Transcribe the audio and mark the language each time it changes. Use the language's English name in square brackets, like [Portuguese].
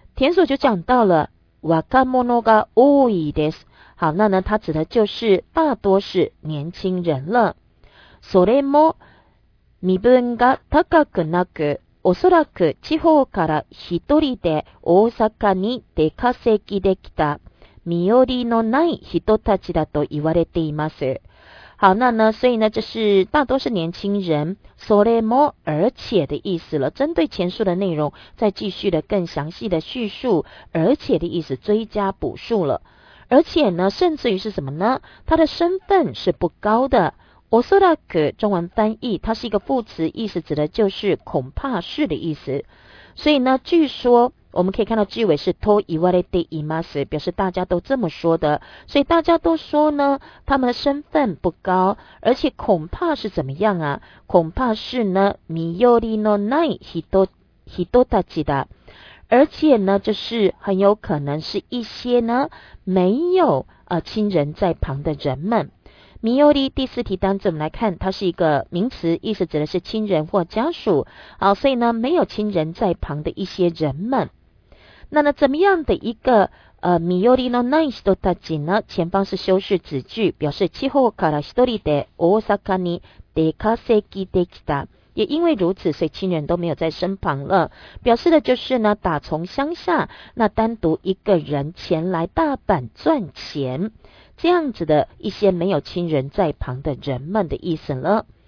[Chinese] 田所就讲到了 [Japanese] 若者が多いです。 [Chinese] 好，那呢他指的就是大多是年轻人了。 [Japanese] それも身分が高くなく、おそらく地方から一人で大阪に出稼ぎできた身寄りのない人たちだと言われています。 [Chinese] 好，那呢，所以呢，这是大多是年轻人。それも而且的意思了，针对前述的内容再继续的更详细的叙述，而且的意思追加补述了。而且呢，甚至于是什么呢？他的身份是不高的。おそらく中文翻译它是一个副词，意思指的就是恐怕是的意思。所以呢，据说我们可以看到句尾是 [Japanese] と言われています， [Chinese] 表示大家都这么说的。所以大家都说呢，他们的身份不高，而且恐怕是怎么样啊？恐怕是呢， [Japanese] 身寄りのない人たちだ。 [Chinese] 而且呢，就是很有可能是一些呢没有亲人在旁的人们。身寄り第四题当中，我们来看，它是一个名词，意思指的是亲人或家属。好，所以呢，没有亲人在旁的一些人们。那呢，怎么样的一个 [Japanese] 身寄りのない人たち [Chinese] 呢？前方是修饰子句，表示 [Japanese] 地方から一人で大阪に出稼ぎできた。 [Chinese] 也因为如此，所以亲人都没有在身旁了。表示的就是呢，打从乡下，那单独一个人前来大阪赚钱。这样子的一些没有亲人在旁的人们的意思了。